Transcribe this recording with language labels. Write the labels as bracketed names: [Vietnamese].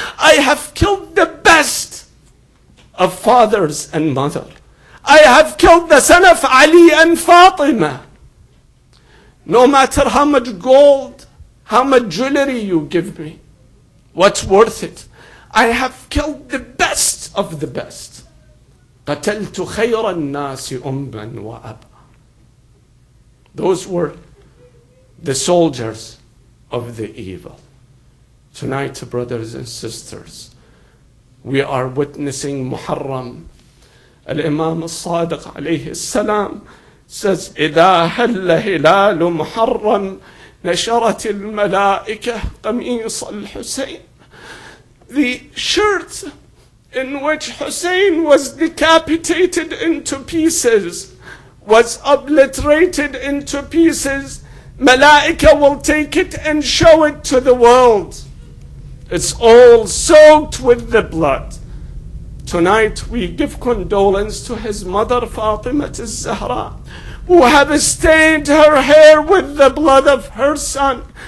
[English] I have killed the best of fathers and mothers. I have killed the son of Ali and Fatima. No matter how much gold, how much jewelry you give me, what's worth it? I have killed the best of the best. [Arabic] قَتَلْتُ خَيْرَ النَّاسِ أُمَّا وَأَبَا. [English] Those were the soldiers of the evil. Tonight, brothers and sisters, we are witnessing Muharram. Al-Imam al-Sadiq alayhi salam says, [Arabic] إِذَا هَلَّ هِلَالُ مُحَرَّمْ نَشَرَتِ الْمَلَائِكَةِ قَمِيصَ الْحُسَيْنِ. [English] The shirt in which Hussein was decapitated into pieces, was obliterated into pieces, Malaika will take it and show it to the world. It's all soaked with the blood. Tonight we give condolence to his mother Fatima al-Zahra, who have stained her hair with the blood of her son.